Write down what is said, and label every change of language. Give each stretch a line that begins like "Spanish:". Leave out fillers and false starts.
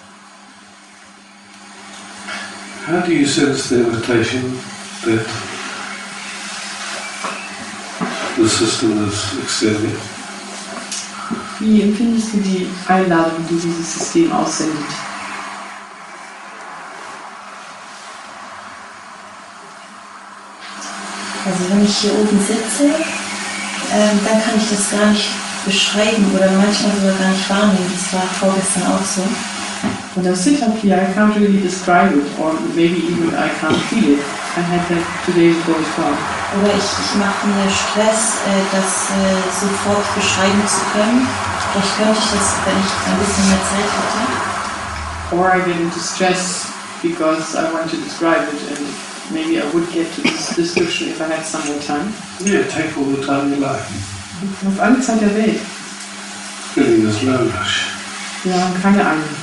English: How do you sense the invitation that the system is extending?
German: Wie empfindest du die Einladung, die dieses System aussendet? Also wenn ich hier oben sitze, dann kann ich das gar nicht beschreiben oder manchmal sogar gar nicht wahrnehmen. Das war vorgestern auch so.
English: When I sit up here, I can't really describe it, or maybe even I can't feel it. I had that 2 days ago as well.
German: Oder ich mache mir Stress, das sofort beschreiben zu können. Vielleicht könnte ich das, wenn ich ein bisschen mehr Zeit hätte.
English: Or I get into stress because I want to describe it, and maybe I would get to this description if I had some more time. Yeah, take all the time you like.
German: Auf alle Zeit der Welt.
English: Feeling this low rush.
German: Ja, keine Ahnung.